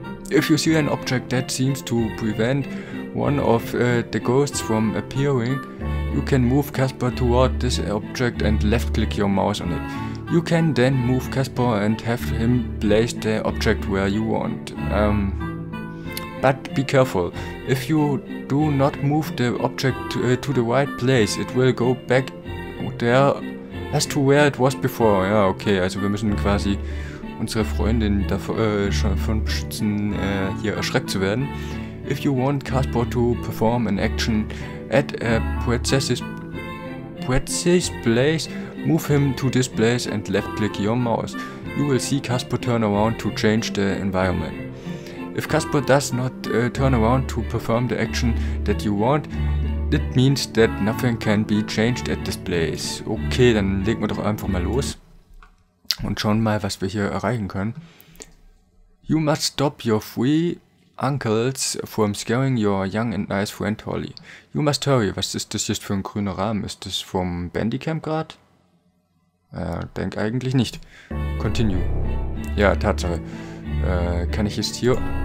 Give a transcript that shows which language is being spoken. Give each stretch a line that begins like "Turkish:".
English: If you see an object that seems to prevent one of the ghosts from appearing, you can move Casper toward this object and left-click your mouse on it. You can then move Casper and have him place the object where you want. But be careful. If you do not move the object to the right place, it will go back there as to where it was before.
German: Ja, okay, also wir müssen quasi unsere Freundin davon beschützen, hier erschreckt zu werden.
English: If you want Casper to perform an action at a precise place, move him to this place and left-click your mouse. You will see Casper turn around to change the environment. If Casper does not turn around to perform the action that you want, it means that nothing can be changed at this place.
German: Okay, dann legen wir doch einfach mal los. Und schauen mal, was wir hier erreichen können.
English: You must stop your three uncles from scaring your young and nice friend Holly. You must hurry.
German: Was ist das jetzt für ein grüner Rahmen? Ist das vom Bandicam gerade? Denk eigentlich nicht.
English: Continue.
German: Ja, Tatsache. Kann ich jetzt hier.